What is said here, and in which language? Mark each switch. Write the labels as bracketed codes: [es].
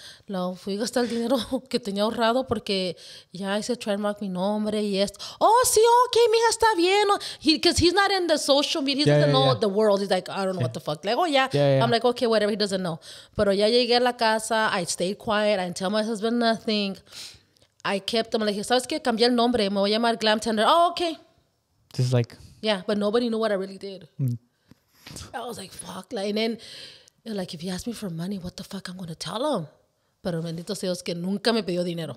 [es] No, fui a gastar el dinero que tenía ahorrado porque ya hice trademark mi nombre y esto. Oh, sí, okay, mija, está bien. [en] Because he's not in the social media. He doesn't know the world. He's like, I don't know what the fuck. [es] Luego ya, [en] I'm like, okay, whatever. He doesn't know. [es] Pero ya llegué a la casa. [en] I stayed quiet. I didn't tell my husband nothing. I kept him. [es] Le dije, ¿sabes qué? Cambié el nombre. Me voy a llamar Glamtender. [en] Oh, okay. just like, yeah, but nobody knew what I really did. I was like, fuck. Like, and then they're like, if he asked me for money, what the fuck I'm gonna tell him? [es] Pero bendito sea Dios que nunca me pidió dinero.